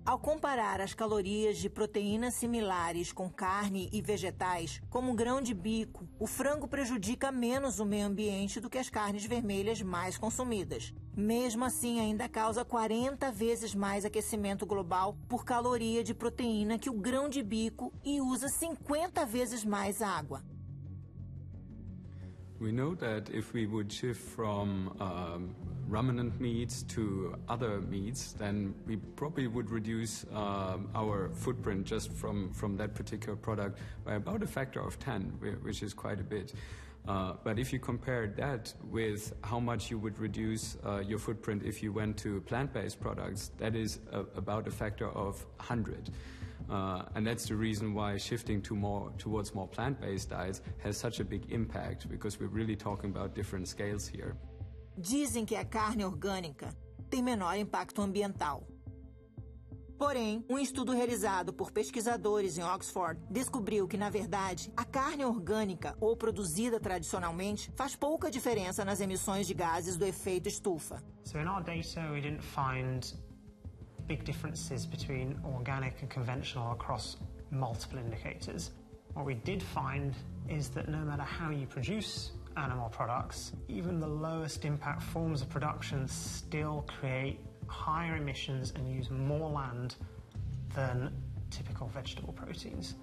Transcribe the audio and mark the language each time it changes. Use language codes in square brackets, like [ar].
[pt] Ao comparar as calorias de proteínas similares com carne e vegetais, como grão de bico, o frango prejudica menos o meio ambiente do que as carnes vermelhas mais consumidas. Mesmo assim, ainda causa 40 vezes mais aquecimento global por caloria de proteína que o grão de bico e usa 50 vezes mais água. [en] We know that if we would shift from ruminant meats to other meats, then we probably would reduce our footprint just from that particular product by about a factor of 10, which is quite a bit. But if you compare that with how much you would reduce your footprint if you went to plant-based products, that is about a factor of 100. And that's the reason why shifting towards more plant-based diets has such a big impact, because we're really talking about different scales here. [pt] Dizem que a carne orgânica tem menor impacto ambiental. Porém, um estudo realizado por pesquisadores em Oxford descobriu que, na verdade, a carne orgânica, ou produzida tradicionalmente, faz pouca diferença nas emissões de gases do efeito estufa. [en] So in our data, we didn't find big differences between organic and conventional across multiple indicators. What we did find is that no matter how you produce animal products, even the lowest impact forms of production still create higher emissions and use more land than typical vegetable proteins.